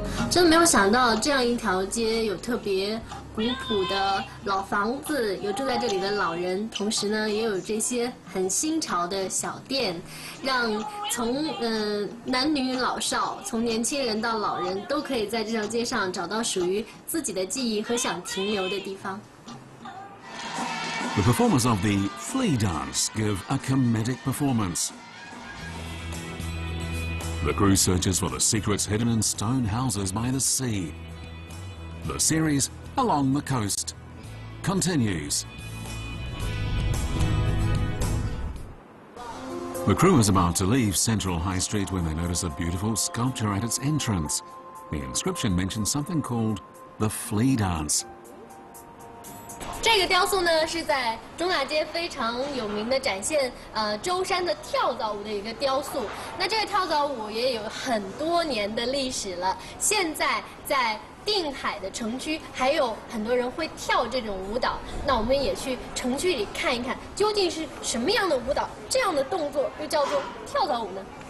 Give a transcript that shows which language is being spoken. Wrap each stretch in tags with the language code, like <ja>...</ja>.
<zh>真的没有想到这样一条街有特别古朴的老房子，有住在这里的老人，同时呢也有这些很新潮的小店，让从男女老少，从年轻人到老人，都可以在这条街上找到属于自己的记忆和想停留的地方。</zh> <en>The performers of the flea dance give a comedic performance. The crew searches for the secrets hidden in stone houses by the sea. The seriesAlong the coast continues. The crew is about to leave Central High Street when they notice a beautiful sculpture at its entrance. The inscription mentions something called the flea dance.</en> <zh>这个雕塑呢是在中大街非常有名的展现舟山的跳蚤舞的一个雕塑。那这个跳蚤舞也有很多年的历史了，现在在定海的城区还有很多人会跳这种舞蹈，那我们也去城区里看一看究竟是什么样的舞蹈，这样的动作又叫做跳蚤舞呢？</zh>